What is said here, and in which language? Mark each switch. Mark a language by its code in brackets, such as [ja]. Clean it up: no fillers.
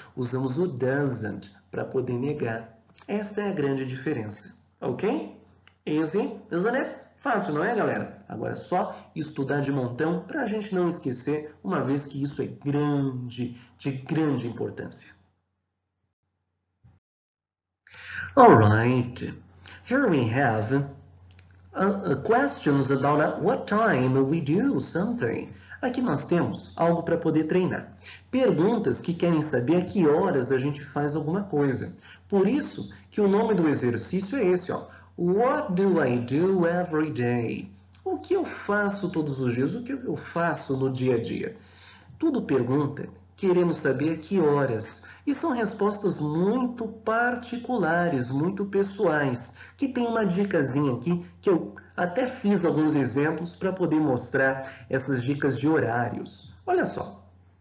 [pt] Usamos o doesn't para poder negar. Essa é a grande diferença. Ok? [en] Easy, isn't it? [pt] Fácil, não é, galera? Agora é só estudar de montão para a gente não esquecer, uma vez que isso é grande, de grande importância. [en] Alright, here we have questions about what time we do something. [pt] Aqui nós temos algo para poder treinar. Perguntas que querem saber a que horas a gente faz alguma coisa. Por isso que o nome do exercício é esse, ó. [en] What do I do every day? [pt] O que eu faço todos os dias? O que eu faço no dia a dia? Tudo pergunta querendo saber a que horas. E são respostas muito particulares, muito pessoais, que tem uma dicasinha aqui que eu até fiz alguns exemplos para poder mostrar essas dicas de horários. Olha só.